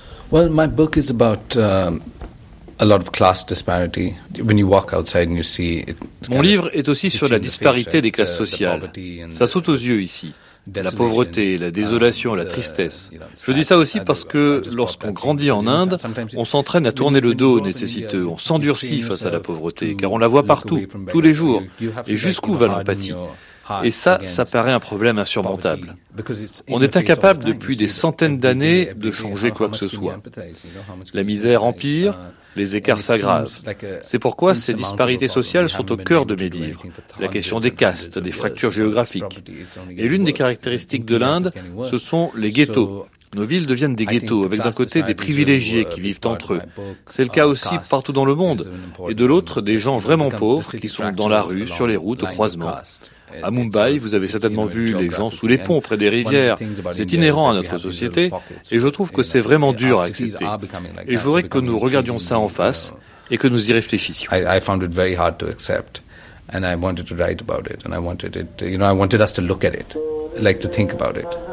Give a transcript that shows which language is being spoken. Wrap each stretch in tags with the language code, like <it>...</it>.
<en>Well, my book is about a lot of class disparity. When you walk outside and you see it.</en> <fr>Mon livre est aussi sur la disparité des classes sociales. Ça saute aux yeux ici. La pauvreté, la désolation, la tristesse. Je dis ça aussi parce que lorsqu'on grandit en Inde, on s'entraîne à tourner le dos aux nécessiteux, on s'endurcit face à la pauvreté, car on la voit partout, tous les jours. Et jusqu'où va l'empathie? Et ça, ça paraît un problème insurmontable. On est incapable depuis des centaines d'années de changer quoi que ce soit. La misère empire, les écarts s'aggravent. C'est pourquoi ces disparités sociales sont au cœur de mes livres. La question des castes, des fractures géographiques. Et l'une des caractéristiques de l'Inde, ce sont les ghettos. Nos villes deviennent des ghettos, avec d'un côté des privilégiés qui vivent entre eux. C'est le cas aussi partout dans le monde. Et de l'autre, des gens vraiment pauvres qui sont dans la rue, sur les routes, au croisement. À Mumbai, vous avez certainement vu les gens sous les ponts près des rivières. C'est inhérent à notre société et je trouve que c'est vraiment dur à accepter. Et je voudrais que nous regardions ça en face et que nous y réfléchissions.</fr> <en>I found it very hard to accept and I wanted to write about it and I wanted us to look at it, like to think about it.</en>